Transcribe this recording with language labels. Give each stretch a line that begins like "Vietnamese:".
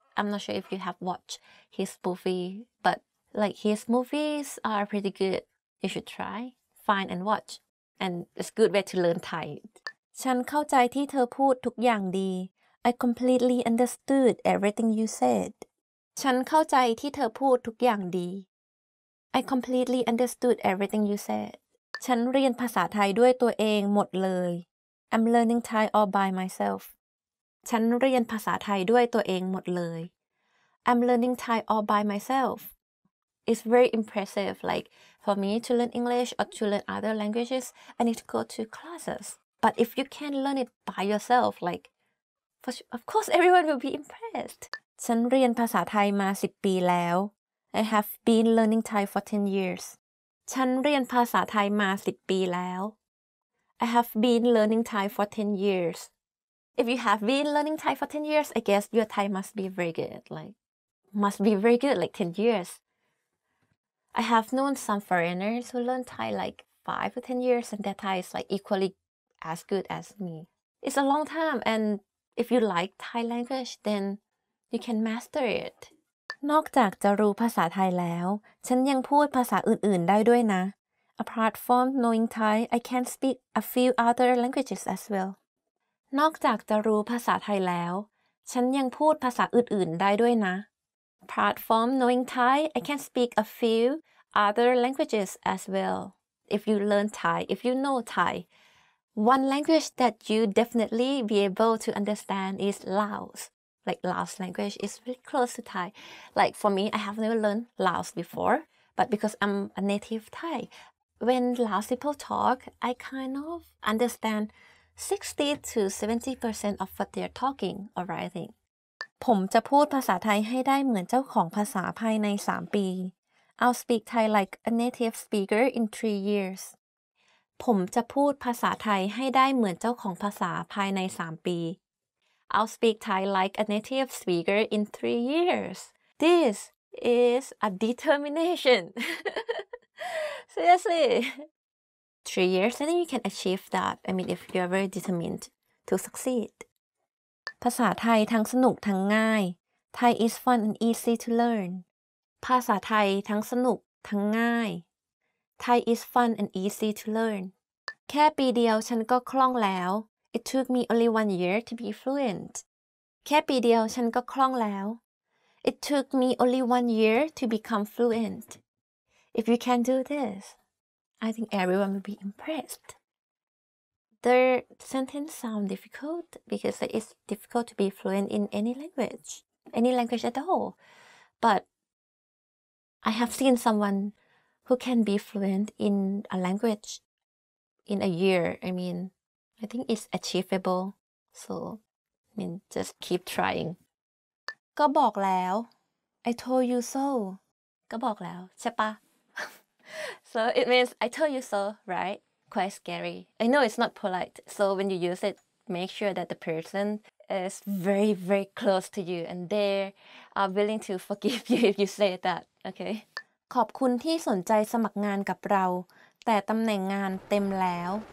English: I'm not sure if you have watched his movie, but... Like his movies are pretty good. You should try, find and watch. And it's a good way to learn Thai.
Thai: ฉันเข้าใจที่เธอพูดทุกอย่างดี
English: I completely understood everything you said.
Thai: ฉันเข้าใจที่เธอพูดทุกอย่างดี
English: I completely understood everything you said.
Thai: ฉันเรียนภาษาไทยด้วยตัวเองหมดเลย
English: I'm learning Thai all by myself.
Thai: ฉันเรียนภาษาไทยด้วยตัวเองหมดเลย
English: I'm learning Thai all by myself. It's very impressive. Like for me to learn English or to learn other languages, I need to go to classes. But if you can learn it by yourself, like, of course, everyone will be impressed.
Thai: ฉันเรียนภาษาไทยมา10ปีแล้ว
English: I have been learning Thai for 10 years.
Thai: ฉันเรียนภาษาไทยมา10ปีแล้ว
English: I have been learning Thai for 10 years. If you have been learning Thai for 10 years, I guess your Thai must be very good. Like, must be very good. Like 10 years. I have known some foreigners who learn Thai like 5 or 10 years, and their Thai is like equally as good as me. It's a long time, and if you like Thai language, then you can master it.
Thai: นอกจากจะรู้ภาษาไทยแล้วฉันยังพูดภาษาอื่นๆได้ด้วยนะ
English: Apart from knowing Thai, I can speak a few other languages as well.
Thai: นอกจากจะรู้ภาษาไทยแล้วฉันยังพูดภาษาอื่นๆได้ด้วยนะ
English: Apart from knowing Thai, I can speak a few other languages as well. If you learn Thai, if you know Thai, one language that you definitely be able to understand is Laos. Like Laos language is really close to Thai. Like for me, I have never learned Laos before, but because I'm a native Thai, when Laos people talk, I kind of understand 60 to 70% of what they're talking or writing.
Thai: ผมจะพูดภาษาไทยให้ได้เหมือนเจ้าของภาษาภายใน3ปี
English: I'll speak Thai like a native speaker in 3 years.
Thai: ผมจะพูดภาษาไทยให้ได้เหมือนเจ้าของภาษาภายใน3ปี
English: I'll speak Thai like a native speaker in 3 years. This is a determination. Seriously. 3 years, then you can achieve that. I mean, if you're very determined to succeed.
Thai: ภาษาไทยทั้งสนุกทั้งง่าย
English: Thai is fun and easy to learn.
Thai: ภาษาไทยทั้งสนุกทั้งง่าย
English: Thai is fun and easy to learn.
Thai: แค่ปีเดียวฉันก็คล่องแล้ว
English: It took me only 1 year to be fluent.
Thai: แค่ปีเดียวฉันก็คล่องแล้ว
English: It took me only 1 year to become fluent. If you can do this, I think everyone will be impressed. The sentence sound difficult because it's difficult to be fluent in any language at all. But I have seen someone who can be fluent in a language in a year. I mean, I think it's achievable. So, I mean, just keep trying.
Thai: ก็บอกแล้ว
English: I told you so.
Thai: ก็บอกแล้วใช่ปะ
English: So it means I told you so, right? Quite scary. I know it's not polite. So when you use it, make sure that the person is very, very close to you and they are willing to forgive you if you say that, okay?
Thai: ขอบคุณที่สนใจสมัครงานกับเราแต่ตำแหน่งงานเต็มแล้ว